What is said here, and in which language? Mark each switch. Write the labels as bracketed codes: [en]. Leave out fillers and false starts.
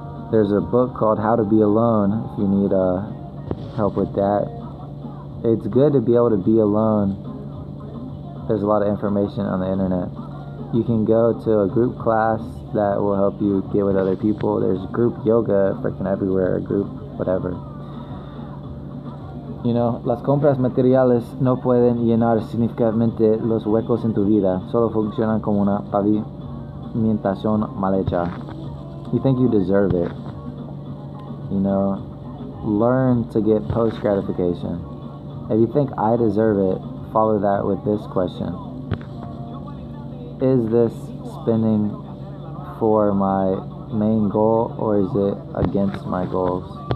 [en] There's a book called How to Be Alone if you need help with that. It's good to be able to be alone. There's a lot of information on the internet. You can go to a group class that will help you get with other people. There's group yoga freaking everywhere, group whatever. [es] You know, las compras materiales no pueden llenar significativamente los huecos en tu vida. Solo funcionan como una pavimentación mal hecha. [en] You think you deserve it. You know, learn to get post gratification. If you think I deserve it, follow that with this question. Is this spending for my main goal or is it against my goals?